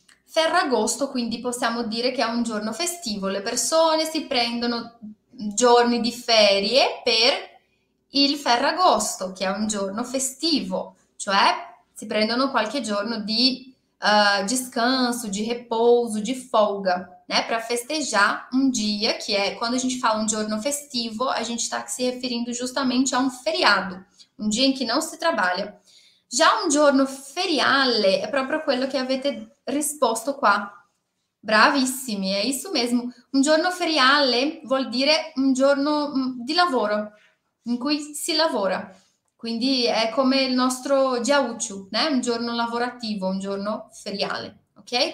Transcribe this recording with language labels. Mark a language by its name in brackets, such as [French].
[Italian] Ferragosto, quindi possiamo dire che è un giorno festivo. Le persone si prendono giorni di ferie per il Ferragosto, che è un giorno festivo, cioè si prendono qualche giorno di [Portuguese] descanso, [Italian] di [Portuguese] repouso, [Italian] di [Portuguese] folga, né? Para festejar um dia, que é quando a gente fala um giorno festivo, a gente está se referindo justamente a um feriado, um dia em que não se trabalha. Já um [Italian] giorno feriale é proprio quello che avete risposto qua. Bravissimi, è [Portuguese] isso mesmo. [Italian] Un giorno feriale vuol dire un giorno di lavoro in cui si lavora. Quindi è come il nostro jiaocu, [Portuguese] né? [Italian] Un giorno lavorativo, un giorno feriale. Ok?